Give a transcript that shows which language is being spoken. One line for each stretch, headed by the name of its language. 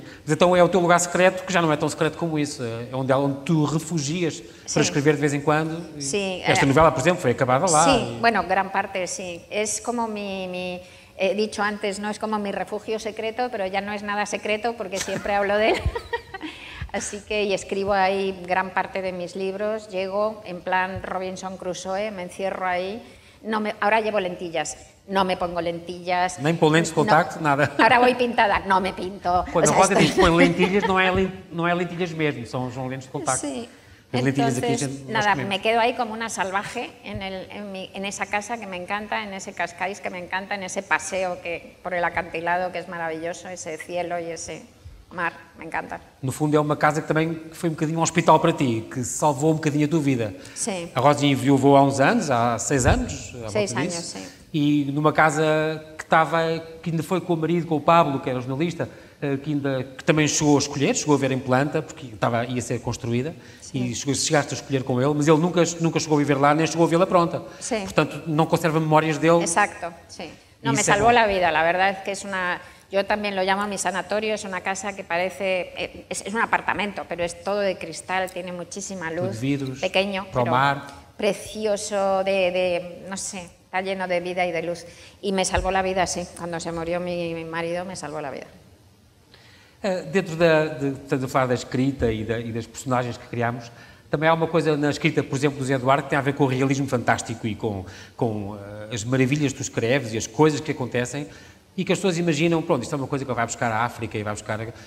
Portuguese: Mas, então, é o teu lugar secreto, que já não é tão secreto como isso. É onde, tu refugias para escrever de vez em quando. Sim. Esta novela, por exemplo, foi acabada lá. Sim,
Spanish: bueno, gran parte,
Portuguese: sim. É como mi...
Spanish: He dicho antes,
Portuguese: não é como mi refugio secreto, mas já não é nada secreto, porque sempre hablo dele.
Spanish: Así que, y escribo ahí gran parte de mis libros, llego en plan Robinson Crusoe, me encierro ahí, ahora llevo lentillas, no me pongo lentillas.
Portuguese: Nem pon lentes de contacto, nada.
Spanish: Ahora voy pintada, no me pinto. Cuando o sea, Rosa dice, pon lentillas, no é lentillas mesmo, son lentes de contacto. Sí. Entonces, nada, me quedo ahí como una salvaje en esa casa que me encanta, en ese Cascais que me encanta, en ese paseo por el acantilado que es maravilloso, ese cielo y ese... Mar, me encanta.
Portuguese: No fundo é uma casa que também foi um bocadinho um hospital para ti, que salvou um bocadinho a tua vida. Sim. A Rosinha viúvou há uns anos, há 6 anos. Seis anos, sim. E numa casa que estava, que ainda foi com o marido, com o Pablo, que era jornalista, que também chegou a escolher, chegou a ver em planta, porque ia ser construída, sim. E chegaste a escolher com ele, mas ele nunca chegou a viver lá, nem chegou a vê-la pronta. Sim. Portanto, não conserva memórias dele. Exato, sim. Não, me salvou a vida, a verdade é que é uma...
Spanish: Yo también lo llamo mi sanatorio, es una casa que parece, es un apartamento, pero es todo de cristal, tiene muchísima luz,
Portuguese: vidros,
Spanish: pequeño, pero mar. precioso no sé, está lleno de vida y de luz. Y me salvó la vida, sí. Cuando se murió mi marido, me salvó la vida.
Portuguese: Dentro de falar da escrita e das personagens que criamos, também há uma coisa na escrita, por exemplo, do Zé Duarte, que tem a ver com o realismo fantástico e com as maravilhas que tu escreves e as coisas que acontecem, e que as pessoas imaginam, pronto, isto é uma coisa que vai buscar a África e vai buscar...